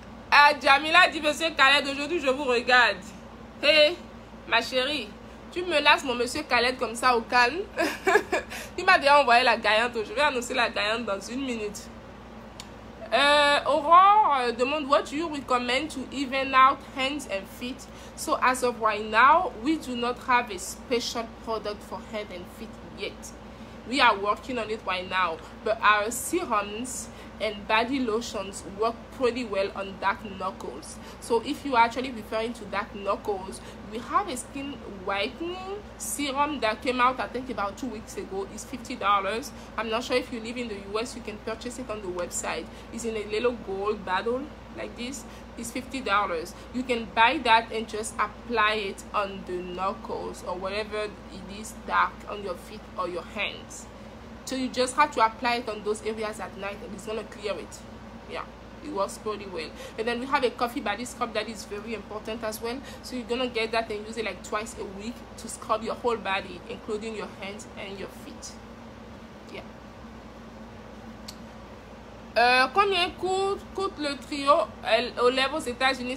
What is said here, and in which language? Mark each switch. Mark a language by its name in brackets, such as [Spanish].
[French] Ah, Jamila dit, monsieur Khaled, aujourd'hui je vous regarde. Hé, hey, ma chérie, tu menaces mon monsieur Khaled comme ça au calme. Il m'a déjà envoyé la gaillante. Je vais annoncer la gaillante dans une minute. Aurore demande, [English] what do you recommend to even out hands and feet? So as of right now, we do not have a special product for head and feet. Yet we are working on it right now, but our serums and body lotions work pretty well on dark knuckles. So if you are actually referring to dark knuckles, we have a skin whitening serum that came out I think about 2 weeks ago. It's $50. I'm not sure if you live in the US, you can purchase it on the website. It's in a little gold bottle like this. It's $50. You can buy that and just apply it on the knuckles or whatever it is dark on your feet or your hands. So you just have to apply it on those areas at night and it's gonna clear it. Yeah, it works pretty well. And then we have a coffee body scrub that is very important as well. So you're gonna get that and use it like twice a week to scrub your whole body, including your hands and your feet. Yeah. [French] Combien coûte le trio Olive aux États-Unis?